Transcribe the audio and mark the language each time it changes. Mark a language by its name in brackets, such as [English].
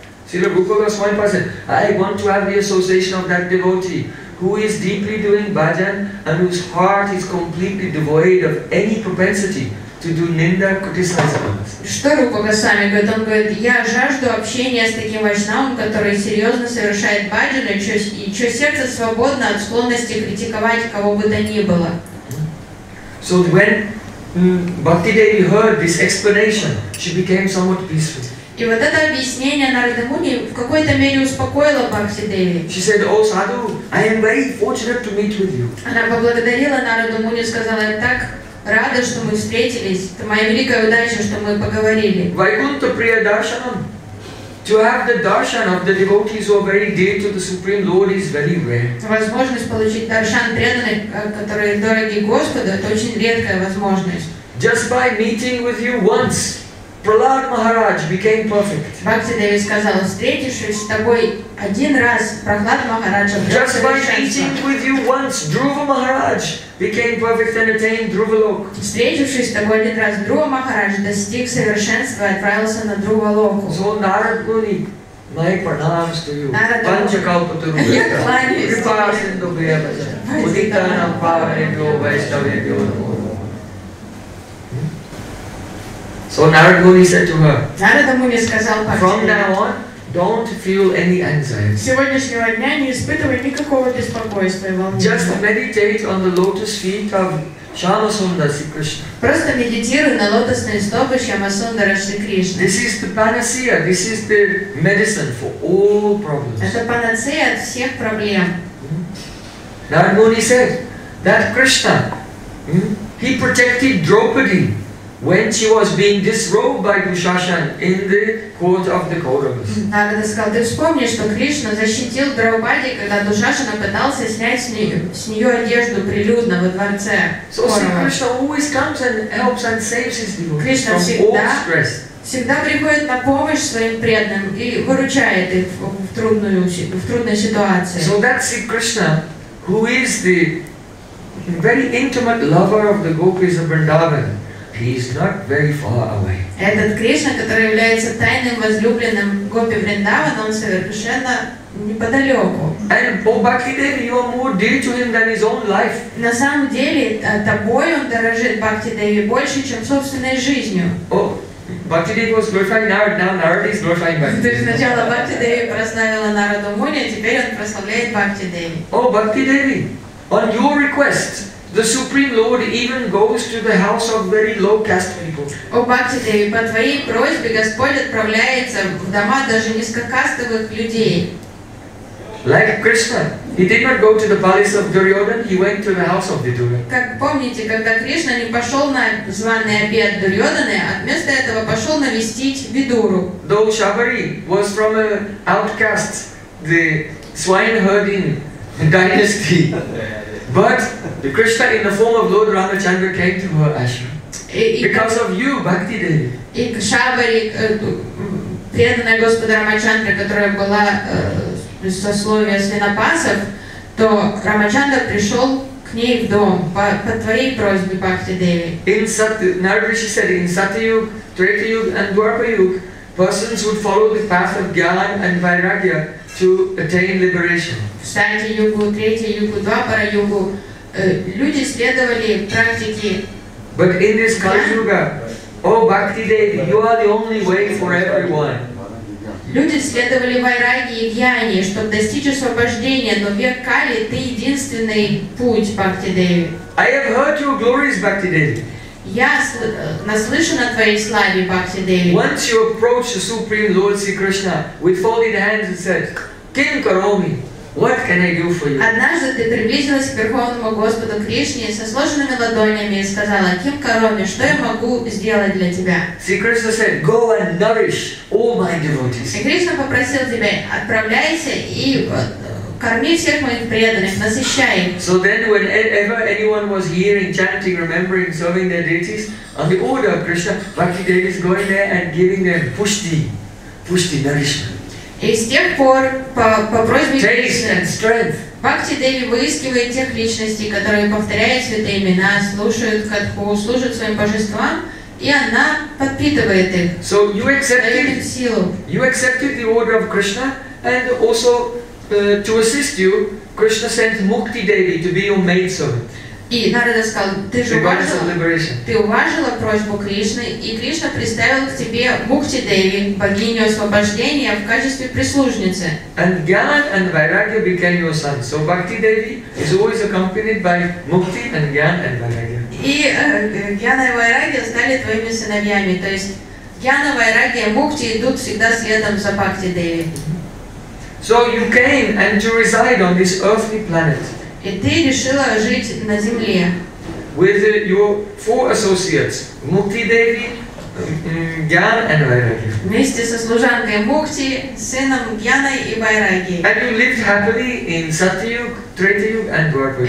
[English] Srila Rupa Goswami said, I want to have the association of that devotee who is deeply doing bhajan and whose heart is completely devoid of any propensity to do ninda, criticize others. [Russian] Что Рупа Госвами говорит? Он говорит, я жажду общения с таким вайшнавом, который серьезно совершает бхаджан, и чье сердце свободно от склонности критиковать кого бы то ни было. [English] So when Bhakti Devi heard this explanation, she became somewhat peaceful. [Russian] И вот это объяснение Нарада Муни в какой-то мере успокоило Бхакти Деви. [English] She said, "O Sadhu, I am very fortunate to meet with you." [Russian] Она поблагодарила Нараду Муни, сказала, "Я так рада, что мы встретились. Это моя великая удача, что мы поговорили." [Sanskrit] Vaikuntha Priya Darshanam. [English] To have the darshan of the devotees who are very dear to the Supreme Lord is very rare. [Russian] Возможность получить даршан преданных, которые дороги Господу, это очень редкая возможность. [English] Just by meeting with you once, Prahlad Maharaj became perfect. [Russian] Бхакти Деви сказал, встретившись с тобой один раз, Прахлад Махарадж обрел совершенство. [English] Just by meeting with you once, Dhruva Maharaj became perfect and attained Dhruva Loka. [Russian] Встретившись с тобой один раз, Dhruva Maharaj достиг совершенства и отправился на Dhruva Loka. [English] So Narad Muni, my pranams to you. [Sanskrit] Pancha Kalpaturu Vekta. Kripasindu Vyabhaja. Uditanam Pavarindu Vaishnavindu. [English] So Narad Muni said to her, from now on, don't feel any anxiety. Just meditate on the lotus feet of Shama Sundar Sri Krishna. This is the panacea, this is the medicine for all problems. Narad Muni said that Krishna, he protected Draupadi when she was being disrobed by Dushasan in the court of the Kauravas. [Russian] Нарада сказал, ты вспомни, что Кришна защитил Драупади, когда Душашана пытался снять с нее одежду прилюдно во дворце. [English] So Krishna always comes and helps and saves his devotees from all stress. [Russian] Всегда приходит на помощь своим преданным и выручает их в трудной ситуации. [English] So that's Krishna, who is the very intimate lover of the gopis of Vrindavan. He is not very far away. [Russian] Этот Кришна, который является тайным возлюбленным Гопи Вриндавана, он совершенно неподалеку. [English] And Bhakti Devi, you are more dear to him than his own life. [Russian] На самом деле, тобой он дорожит Бхакти Деви больше, чем собственной жизнью. [English] Oh, Bhakti Devi was glorifying Narada, now Narada is glorifying Bhakti Devi. [Russian] То есть сначала Бхакти Деви прославила Нараду Муни, а теперь он прославляет Бхакти Деви. [English] Oh, Bhakti Devi, on your request, the Supreme Lord even goes to the house of very low caste people. [Russian] О бхактите, по твоей просьбе Господь отправляется в дома даже низкокастовых людей. [English] Like Krishna, he did not go to the palace of Duryodhan, he went to the house of Vidura. [Russian] Как помните, когда Кришна не пошел на званый обед Дурьодхана, а вместо этого пошел навестить Видуру. [English] Though Shabari was from an outcast, the swineherding dynasty, but the Krishna in the form of Lord Ramachandra came to her ashram. Because of you, Bhakti Devi. [Russian] И Шабари, преданная Господа Рамачандра, которая была сословия свинопасов, то Рамачандра пришел к ней в дом по твоей просьбе, Бхакти Деви. [English] Нарадриши said, in Satyug, Tretayug and Dwapayug, persons would follow the path of Gyan and Vairagya to attain liberation. [Russian] В Сати-югу, Третьей-югу, Двапара-югу люди следовали практике. [English] But in this Kali-юга, oh Bhakti Devi, you are the only way for everyone. [Russian] Люди следовали вайраги и гьяни, чтобы достичь освобождения, но век Кали – ты единственный путь, Бхакти Деви. [English] I have heard your glories, Bhakti Devi. [Russian] Я наслышан о твоей славе, Бхакти Деви. [English] Once you approach the Supreme Lord Sri Krishna with folded hands and said, [Sanskrit] Kim Karomi, [English] what can I do for you? [Russian] Однажды ты приблизилась к Верховному Господу Кришне со сложенными ладонями и сказала, [Sanskrit] Ким Кароми, [Russian] что я могу сделать для тебя? [English] Sri Krishna said, go and nourish all my devotees. [Russian] И Кришна попросил тебя, отправляйся и корми всех моих преданных, насыщай их. [English] So then whenever anyone was hearing, chanting, remembering, serving their deities, on the order of Krishna, Bhakti Devi is going there and giving them pushti, nourishment. [Russian] И с тех пор, по просьбе Кришны, Бхакти Деви выискивает тех личностей, которые повторяют святые имена, слушают катху, служат своим божествам, и она подпитывает их. [English] So you accepted, the order of Krishna, and also to assist you, Krishna sent Mukti Devi to be your maidservant. [Russian] И Нарада сказал, ты же уважила просьбу Кришны, и Кришна представил к тебе Мукти Деви, богиню освобождения, в качестве прислужницы. [English] And Gyan and Vairagya became your son. So Bhakti Devi is always accompanied by Mukti and Gyan and Vairagya. [Russian] И Гьяна и Вайрагья стали твоими сыновьями. То есть Гьяна, Вайрагья, Мукти идут всегда следом за Бхакти Деви. [English] So you came and to reside on this earthly planet. [Russian] И ты решила жить на земле. [English] With your four associates, Mukti Devi, Gyan and Vairagya. [Russian] Вместе со служанкой Мукти, сыном Гьяной и Вайраги. [English] And you lived happily in Satyug, Tretayug and Dwapara.